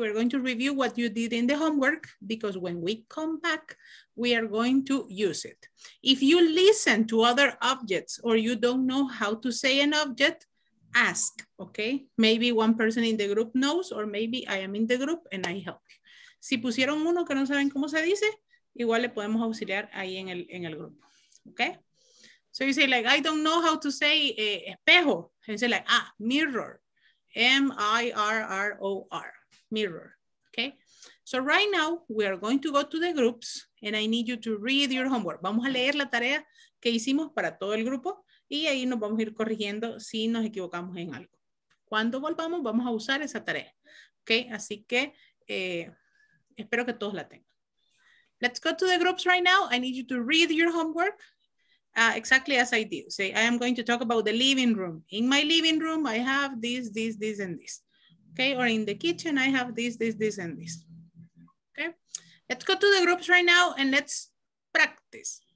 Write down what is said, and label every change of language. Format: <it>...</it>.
<en>We're going to review what you did in the homework because when we come back, we are going to use it. If you listen to other objects or you don't know how to say an object, ask, okay? Maybe one person in the group knows or maybe I am in the group and I help you.</en> <es>Si pusieron uno que no saben cómo se dice, igual le podemos auxiliar ahí en el grupo, okay?</es> <en>So you say like, I don't know how to say</en> <es>espejo.</es> <en>And say like, mirror, M-I-R-R-O-R, mirror, okay? So right now we are going to go to the groups and I need you to read your homework.</en> <es>Vamos a leer la tarea que hicimos para todo el grupo y ahí nos vamos a ir corrigiendo si nos equivocamos en algo. Cuando volvamos, vamos a usar esa tarea.</es> <en>Okay,</en> <es>así que espero que todos la tengan.</es> <en>Let's go to the groups right now. I need you to read your homework exactly as I did. Say, I am going to talk about the living room. In my living room, I have this, this, this, and this. Okay, or in the kitchen, I have this, this, this, and this. Okay, let's go to the groups right now and let's practice.</en>